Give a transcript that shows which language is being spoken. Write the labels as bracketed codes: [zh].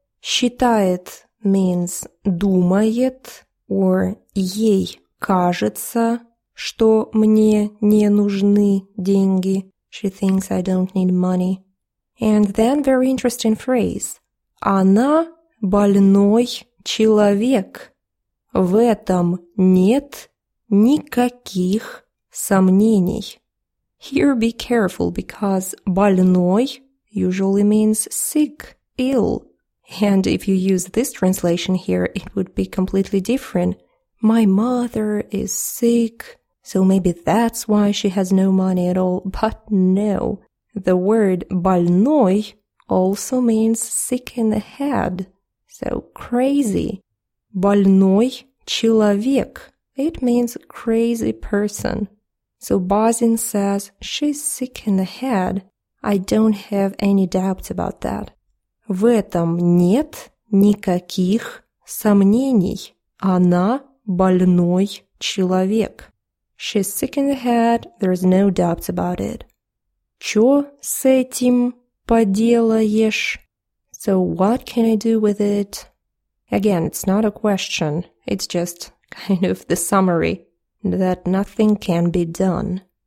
[ru] Считает [en] means [ru] думает, [en] or [ru] ей кажется, что мне не нужны деньги. [en] She thinks I don't need money. And then very interesting phrase. [ru] Она больной человек. В этом нет никаких сомнений. [en] Here be careful, because больной usually means sick, ill. And if you use this translation here, it would be completely different. My mother is sick, so maybe that's why she has no money at all. But no, the word больной also means sick in the head. So crazy. [ru] Больной человек. [en] It means crazy person. So Bazin says she's sick in the head. I don't have any doubts about that. [ru] В этом нет никаких сомнений. Она больной человек. [en] She's sick in the head, there's no doubts about it. [ru] Чё с этим поделаешь? [en] So what can I do with it? Again, it's not a question, it's just kind of the summary that nothing can be done.